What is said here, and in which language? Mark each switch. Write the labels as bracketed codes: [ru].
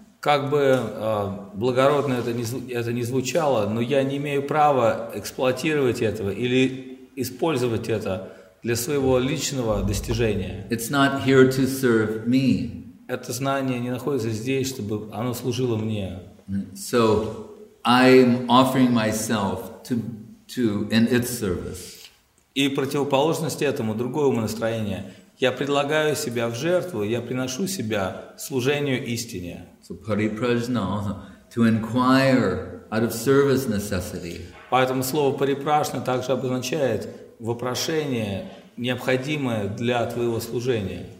[ru] Как бы благородно это не звучало, но я не имею права эксплуатировать этого или использовать это для своего личного достижения. [en] It's not here to serve me. [ru] Это знание не находится здесь, чтобы оно служило мне. [en] So I'm offering myself to in its service. [ru] И противоположность этому, другое умонастроение. Я предлагаю себя в жертву, я приношу себя служению истине. [en] So parīprajñā, to inquire out of service necessity. [ru] Поэтому слово парипрашна также обозначает вопрошение, необходимое для твоего служения.